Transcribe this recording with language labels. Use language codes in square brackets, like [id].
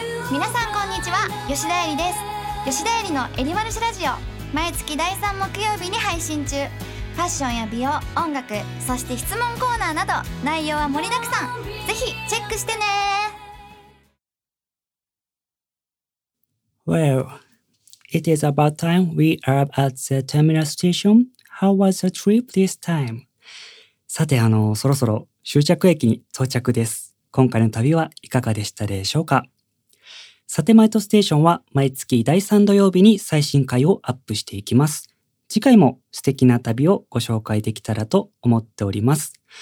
[ja] 皆さんこんにちは、吉田絵里です。吉田絵里のエリマルシラジオ、毎月第3木曜日に配信中。ファッションや美容、音楽、そして質問コーナーなど内容は盛りだくさん、ぜひチェックしてね。 [en] Well, it is about time we are at the terminal station. How was the trip this time? [ja] さてそろそろ終着駅に到着です。今回の旅はいかがでしたでしょうか。サテマイトステーションは毎月第3土曜日に最新回をアップしていきます。次回も素敵な旅をご紹介できたらと思っております。